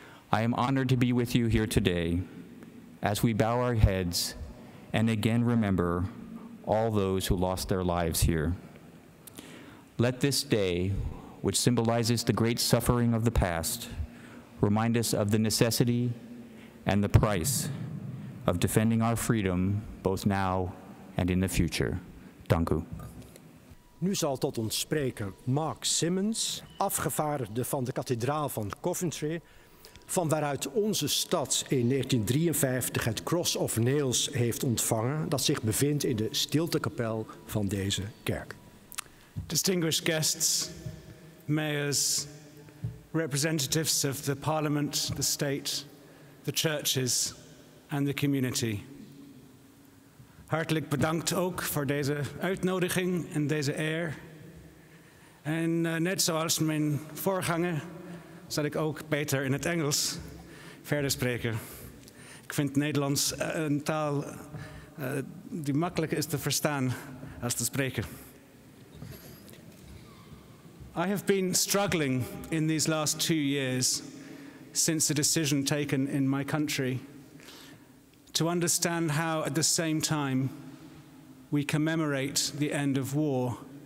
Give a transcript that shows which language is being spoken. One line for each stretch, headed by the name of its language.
English: I am honored to be with you here today as we bow our heads and again remember all those who lost their lives here. Let this day, which symbolizes the great suffering of the past, remind us of the necessity and the price of defending our freedom both now and in the future.
Dutch: Dank u. Nu zal tot ons spreken Mark Simmons, afgevaardigde van de kathedraal van Coventry, van waaruit onze stad in 1953 het Cross of Nails heeft ontvangen, dat zich bevindt in de stiltekapel van deze kerk.
English: Distinguished guests, mayors, representatives of the parliament, the state, the churches and the community.
Dutch: Hartelijk bedankt ook voor deze uitnodiging en deze eer. En net zoals mijn voorganger, zal ik ook beter in het Engels verder spreken. Ik vind Nederlands een taal die makkelijker is te verstaan als te spreken.
English: I have been struggling in these last 2 years since the decision taken in my country to understand how at the same time we commemorate the end of war